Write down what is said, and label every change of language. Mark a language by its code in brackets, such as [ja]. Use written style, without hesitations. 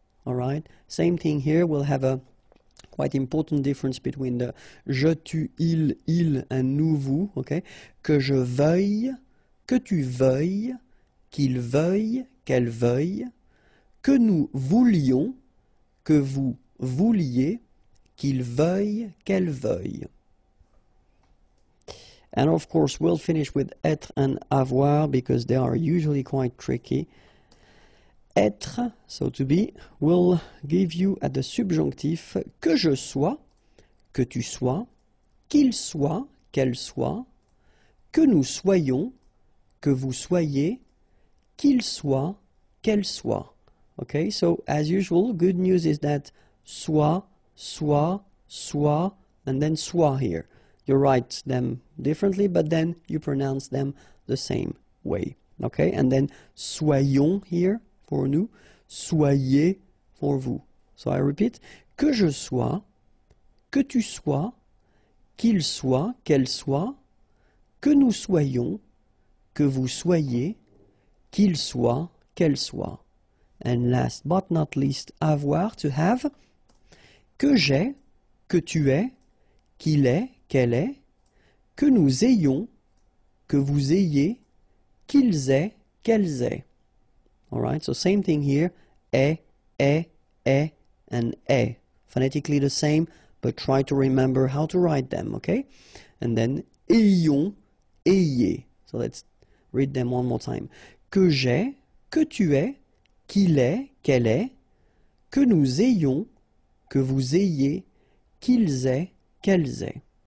[en] Alright, same thing here, we'll have a quite important difference between the je, tu, il, and nous, vous, okay? [fr] Que je veuille, que tu veuilles, qu'il veuille, qu'elle veuille, que nous voulions, que vous vouliez, qu'il veuille, qu'elle veuille. [en] And of course, we'll finish with être and avoir because they are usually quite tricky. [fr] Être, [en] so to be, will give you at the [fr] subjonctif que je sois, que tu sois, qu'il soit, qu'elle soit, que nous soyons, que vous soyez, qu'il soit, qu'elle soit. [en] Okay, so as usual, good news is that soit, soit, soit, and then soit here. You write them differently, but then you pronounce them the same way. Okay, and then soyons here for nous, soyez for vous. So I repeat, [fr] que je sois, que tu sois, qu'il soit, qu'elle soit, que nous soyons, que vous soyez, qu'il soit, qu'elle soit. [en] And last but not least, avoir, to have. [fr] Que j'ai, que tu es, qu'il est, qu'elle est, que nous ayons, que vous ayez, qu'ils aient, qu'elles aient. [en] All right, so same thing here, est, and est. Phonetically the same, but try to remember how to write them, okay? And then, ayons, ayez. So let's read them one more time. [fr] Que j'ai, que tu es, qu'il est, qu'elle est, que nous ayons, que vous ayez, qu'ils aient, qu'elles aient.